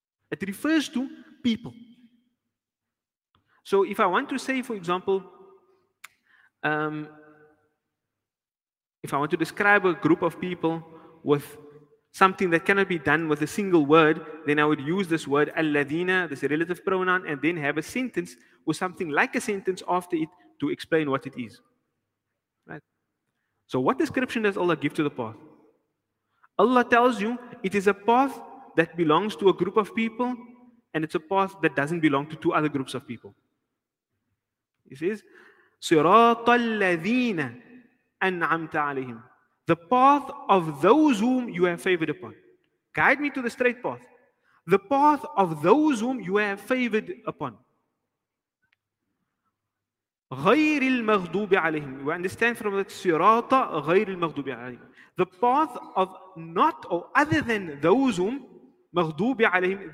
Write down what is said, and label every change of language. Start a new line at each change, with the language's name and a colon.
English: It refers to people. So if I want to say, for example, if I want to describe a group of people with something that cannot be done with a single word, then I would use this word الذين, this relative pronoun, and then have a sentence or something like a sentence after it to explain what it is. Right? So what description does Allah give to the path? Allah tells you it is a path that belongs to a group of people and it's a path that doesn't belong to two other groups of people. He says,
Arabic: صِرَاطَ الَّذِينَ أَنْعَمْتَ عَلَيْهِمْ.
English: The path of those whom you have favored upon. Guide me to the straight path. The path of those whom you have favored upon.
Arabic: غَيْرِ الْمَغْضُوبِ عَلَيْهِمْ.
English: We understand from that sirata,
Arabic: غَيْرِ الْمَغْضُوبِ عَلَيْهِمْ.
English: The path of not or other than those whom
Arabic: مَغْضُوبِ عَلَيْهِمْ.